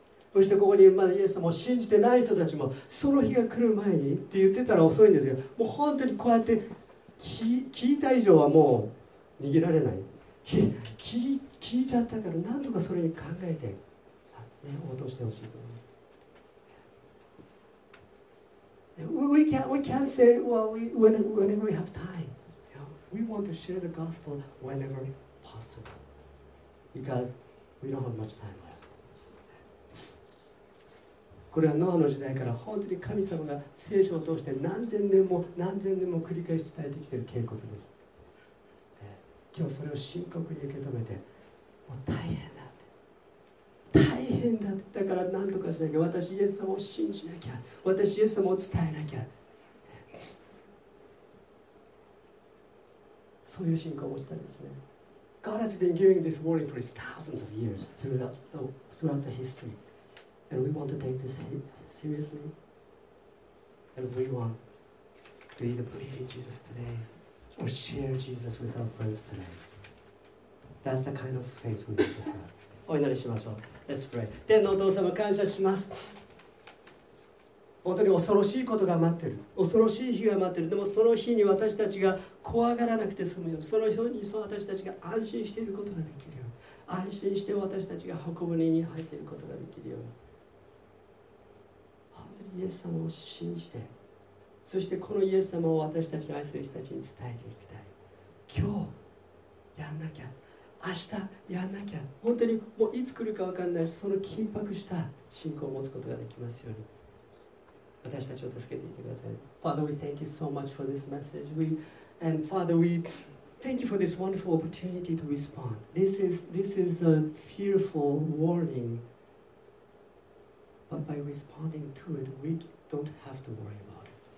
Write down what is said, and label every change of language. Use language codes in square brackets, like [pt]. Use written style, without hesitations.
[ja] そしてここにまだイエス様を信じてない人たちもその日が来る前にって言ってたら遅いんですよ。もう本当にこうやって聞いた以上はもう逃げられない。聞いちゃったから何とかそれに考えて、ね、応答してほしい。 [en] we can't say, well, whenever we have time, you know, we want to share the gospel whenever possible because we don't have much time. [ja] これはノアの時代から本当に神様が聖書を通して何千年も何千年も繰り返し伝えてきている警告です。で今日それを深刻に受け止めて、もう大変だって、大変だって、だから何とかしなきゃ、私イエス様を信じなきゃ、私イエス様を伝えなきゃ、そういう信仰を持ちたいですね。 [en] God has been giving this warning for thousands of years throughout the history. And we want to take this seriously. And we want to either believe in Jesus today or share Jesus with our friends today. That's the kind of faith we need to have. [ja] お祈りしましょう。 [en] Let's pray. [ja] 天のお父様、感謝します。本当に恐ろしいことが待ってる。恐ろしい日が待ってる。でもその日に私たちが怖がらなくて済むよ。その日に私たちが安心していることができるよ。安心して私たちが箱舟に入っていることができるよ。イエス様を信じて、そしてこのイエス様を私たちの愛する人たちに伝えていきたい。今日やんなきゃ、明日やんなきゃ、本当にもういつ来るか分かんない、その緊迫した信仰を持つことができますように、私たちを助けていてください。 [en] Father, we thank you so much for this message. And Father, we thank you for this wonderful opportunity to respond. This is a fearful warning. But by responding to it, we don't have to worry about it.